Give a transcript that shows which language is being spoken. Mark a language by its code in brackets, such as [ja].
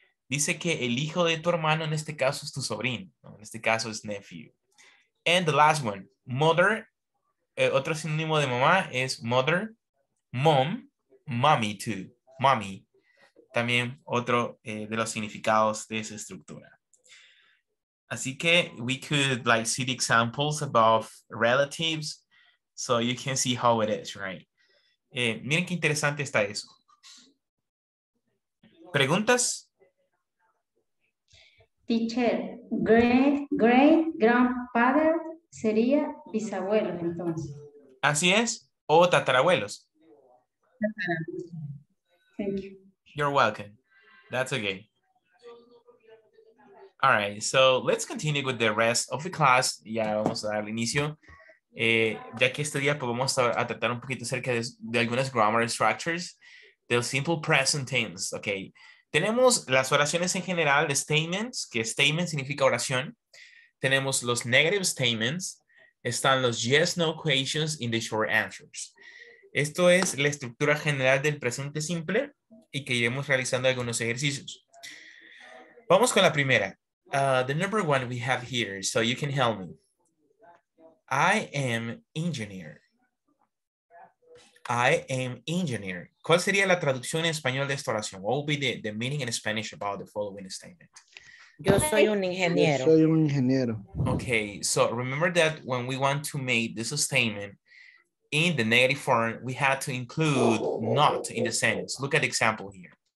[es] Dice que el hijo de tu hermano, en este caso, es tu sobrino. ¿No? En este caso, es [en] nephew. And the last one, mother. [es] Otro sinónimo de mamá es mother, mom. [en] Mommy too, mommy. [es] También otro de los significados de esa estructura. Así que [en] we could like see the examples about relatives so you can see how it is, right? [es] Miren qué interesante está eso. ¿Preguntas? Teacher, great grandfather sería bisabuelo entonces. Así es, o tatarabuelos. [en] Thank you. You're welcome. That's okay. All right, so let's continue with the rest of the class. [es] Ya vamos a dar inicio. Ya que este día pues vamos a tratar un poquito acerca de algunas grammar structures, del simple present tense, okay. Tenemos las oraciones en general, the statements, que statement significa oración. Tenemos los [en] negative statements. [es] Están los [en] yes, no questions in the short answers. [es] Esto es la estructura general del presente simple y que iremos realizando algunos ejercicios. Vamos con la primera. [en] The number one we have here, so you can help me. I am engineer. I am engineer. [es] ¿Cuál sería la traducción en español de esta oración? [en] What would be the meaning in Spanish about the following statement? [es] Yo soy un ingeniero. Yo soy un ingeniero. [en] Okay, so remember that when we want to make this statement, in the negative form, we had to include not in the sentence. Look at the example here.